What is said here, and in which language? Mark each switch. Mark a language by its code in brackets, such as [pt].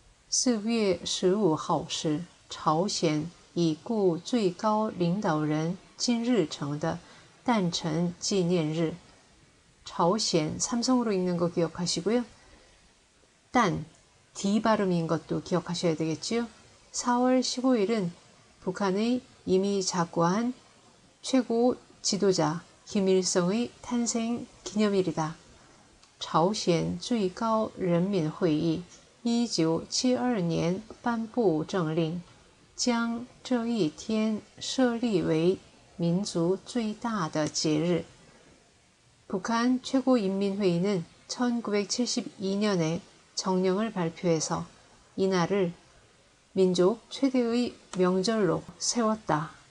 [ko] 4월 15일에 朝鲜 이구 최고 领导人 金日成의 탄천 기념일 朝鲜 삼성으로 읽는 거 기억하시고요. 단 D 발음인 것도 기억하셔야 되겠죠. 4월 15일은 북한의 이미 작고한 최고 지도자 김일성의 탄생 기념일이다. [zh] 朝鲜 最高人民会议 1972년 颁布政令 将这一天设立为民族最大的节日. [ko] 북한 최고인민회의는 1972년에 정령을 발표해서 이날을 민족 최대의 명절로 세웠다.